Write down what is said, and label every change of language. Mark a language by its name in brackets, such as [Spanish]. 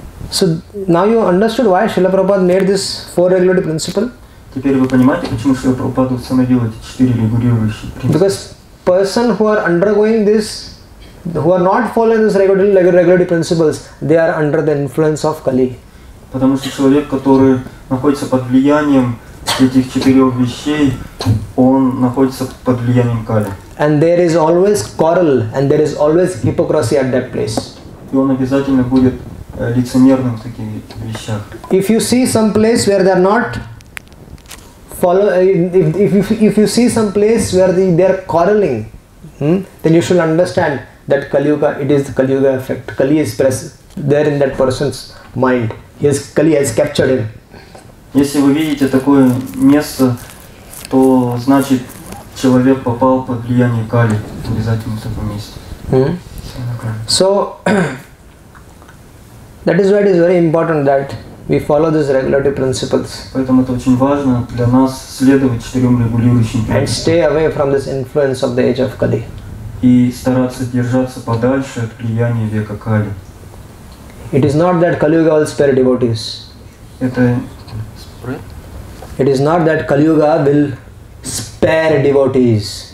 [English] So now you understood why Srila Prabhupada made this four regulatory principle? [Russian] Теперь вы понимаете, почему Шрила Прабхупада установил эти четыре регулирующие принципы? [English] Because person who are undergoing this, who are not following these regulatory principles, they are under the influence of Kali. [Russian] Потому что человек, который находится под влиянием этих четырех вещей, он находится под влиянием Кали. [English] And there is always quarrel, and there is always hypocrisy at that place. [Russian] И он обязательно будет лицемерным в таких вещах. [English] If you see some place where they are not follow, if you see some place where they are quarreling, then you should understand that Kali Yuga, it is the Kali Yuga effect. Kali is present there in that person's mind. His Kali has captured him. [Russian] Если вы видите такое место, то значит человек попал под влияние Кали в обязательном таком месте. [English] So that is why it is very important that we follow these regulatory principles. [Russian] Поэтому это очень важно для нас следовать четырем регулирующим принципам. [English] And stay away from this influence of the age of Kali. [Russian] И стараться держаться подальше от влияния века Кали. [English] It is not that Kali Yuga will spare devotees. [Russian] Это [English] It is not that Kali Yuga will spare devotees.